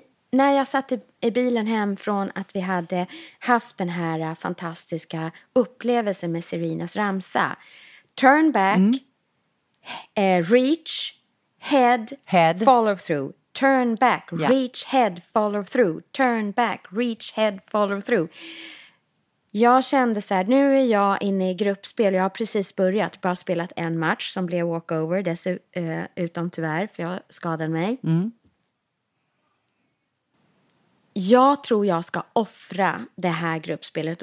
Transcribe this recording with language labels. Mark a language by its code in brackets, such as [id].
[sv] När jag satt i bilen hem från att vi hade haft den här fantastiska upplevelsen med Serenas ramsa. [en] Turn back, reach, head, follow through. Turn back, reach, head, follow through. Turn back, reach, head, follow through. [sv] Jag kände så här, nu är jag inne i gruppspel. Jag har precis börjat, bara spelat en match som blev walkover. Dessutom tyvärr, för jag skadade mig. Mm. Jag tror jag ska offra det här gruppspelet.